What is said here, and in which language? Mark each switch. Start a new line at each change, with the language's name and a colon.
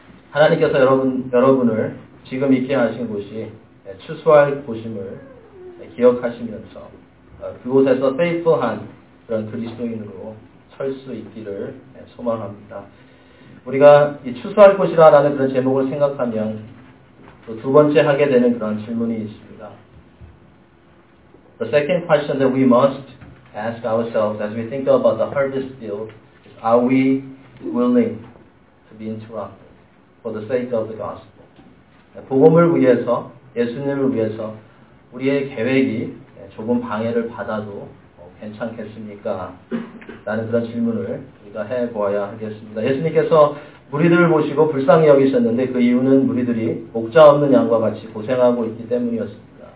Korean: 하나님께서 여러분을 지금 있게 하신 곳이 추수할 곳임을 기억하시면서 그곳에서 페이퍼한 그런 그리스도인으로 설 수 있기를 소망합니다. 우리가 이 추수할 곳이라는 그런 제목을 생각하면 또 두 번째 하게 되는 그런 질문이 있습니다.
English: The second question that we must ask ourselves as we think about the harvest field is, are we willing to be interrupted for the sake of the gospel?
Korean: 복음을 위해서, 예수님을 위해서 우리의 계획이 조금 방해를 받아도 괜찮겠습니까? 라는 그런 질문을 우리가 해보아야 하겠습니다. 예수님께서 무리들을 보시고 불쌍히 여기셨는데 그 이유는 무리들이 목자 없는 양과 같이 고생하고 있기 때문이었습니다.